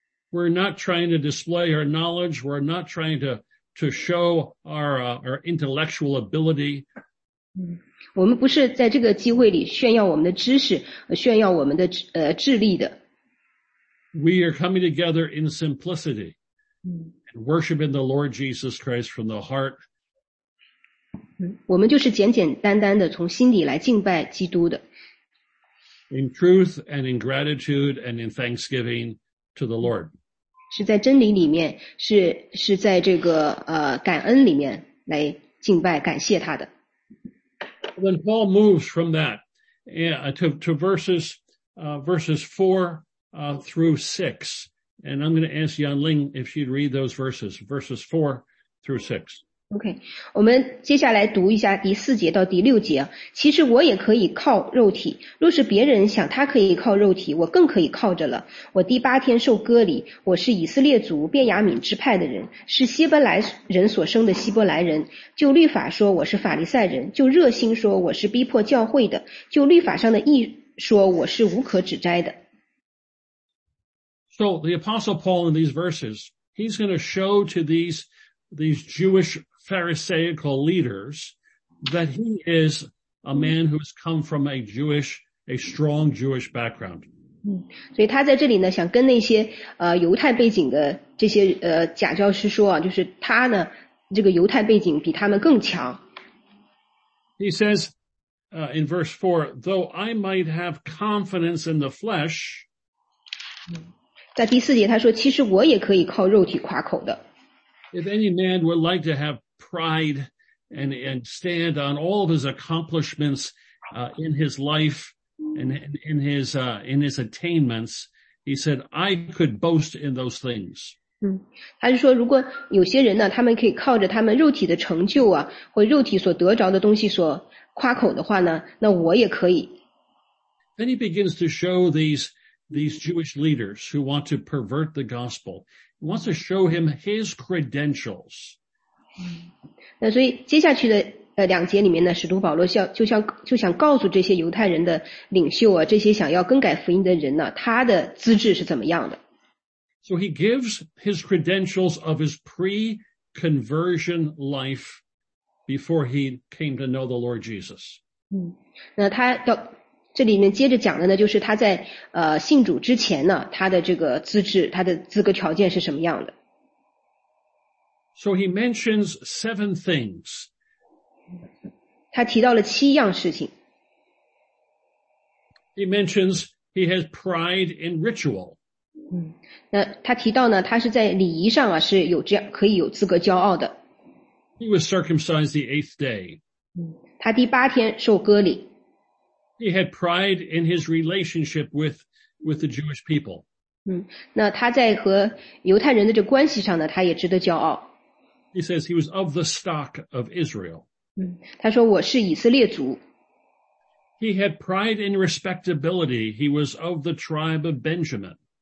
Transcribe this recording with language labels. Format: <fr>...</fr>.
<en>We're not trying to display our knowledge. We're not trying to show our intellectual ability.</en> <zh>我们不是在这个机会里炫耀我们的知识，炫耀我们的智力的。</zh> <en>We are coming together in simplicity and worshiping the Lord Jesus Christ from the heart.</en> <zh>我们就是简简单单的从心底来敬拜基督的。</zh> <en>In truth and in gratitude and in thanksgiving to the Lord.</en> <zh>是在真理里面，是在这个感恩里面来敬拜感谢他的。</zh> <en>When Paul moves from that to verses 4 through 6, and I'm going to ask Yan Ling if she'd read those verses 4 through 6.</en> <zh>OK, 我们接下来读一下第四节到第六节。其实我也可以靠肉体，若是别人想他可以靠肉体，我更可以靠着了。我第八天受割礼，我是以色列族便雅悯支派的人，是希伯来人所生的希伯来人。就律法说我是法利赛人，就热心说我是逼迫教会的，就律法上的义说我是无可指摘的。</zh> <en>So the Apostle Paul in these verses, he's going to show to these Jewish Pharisaical leaders that he is a man who has come from a strong Jewish background.</en> <zh>所以他在这里呢想跟那些犹太背景的这些假教师说啊，就是他呢这个犹太背景比他们更强。</zh> <en>He says, in verse 4, though I might have confidence in the flesh,</en> <zh>在第四节他说其实我也可以靠肉体夸口的。</zh> <en>If any man would like to have pride and stand on all of his accomplishments, in his life and in his attainments, he said, I could boast in those things.</en> <zh>他是说如果有些人呢他们可以靠着他们肉体的成就啊或肉体所得着的东西所夸口的话呢那我也可以。</zh> <en>Then he begins to show these Jewish leaders who want to pervert the gospel. Wants to show him his credentials.</en> <zh>那所以接下去的两节里面呢，使徒保罗就想告诉这些犹太人的领袖啊，这些想要更改福音的人呢，他的资质是怎么样的</zh> <en>？So he gives his credentials of his pre-conversion life before he came to know the Lord Jesus.</en> <zh>那他要这里面接着讲的呢，就是他在信主之前呢，他的这个资质、他的资格条件是什么样的</zh> <en>？So he mentions 7 things.</en> <zh>他提到了七样事情。</zh> <en>He mentions he has pride in ritual.</en> <zh>那他提到呢，他是在礼仪上啊是有这样可以有资格骄傲的。</zh> <en>He was circumcised the eighth day.</en> <zh>他第八天受割礼。</zh> <en>He had pride in his relationship with the Jewish people.</en> <zh>那他在和犹太人的这关系上呢，他也值得骄傲。</zh> <en>He says he was of the stock of Israel.</en> <zh>他说我是以色列族。</zh> <en>He had pride in respectability. He was of the tribe of Benjamin.</en>